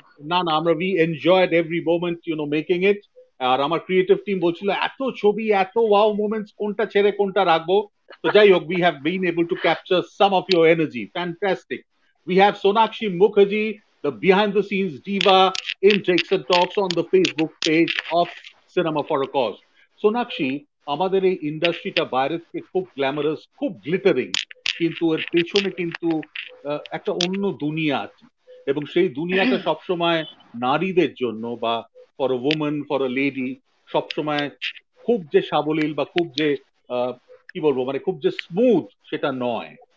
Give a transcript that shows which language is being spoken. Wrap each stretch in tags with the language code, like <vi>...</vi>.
<bn>না না, আমরা</bn> <en>we enjoyed every moment you know making it,</en> <bn>আর আমার ক্রিয়েটিভ টিম বলছিল এত ছবি এত ওয়াও মোমেন্টস কোনটা ছেড়ে কোনটা রাখবো, তো যাই হোক,</bn> <en>we have been able to capture some of your energy, fantastic. We have Sonakshi Mukherjee, the behind the scenes diva in Takes and Talks on the Facebook page of Cinema for a Cause.</en> <bn>Sonakshi, আমাদের এই ইন্ডাস্ট্রিটা বাইরের থেকে খুব glamorous, খুব glittering, কিন্তু এর পেছনে কিন্তু একটা অন্য দুনিয়া আছে, এবং সেই দুনিয়াটা সবসময় নারীদের জন্য বা</bn> <en>for a woman for a lady</en> <bn>সবসময় খুব যে সাবলীল বা খুব যে কি বলবো মানে খুব যে স্মুথ সেটা নয়।</bn>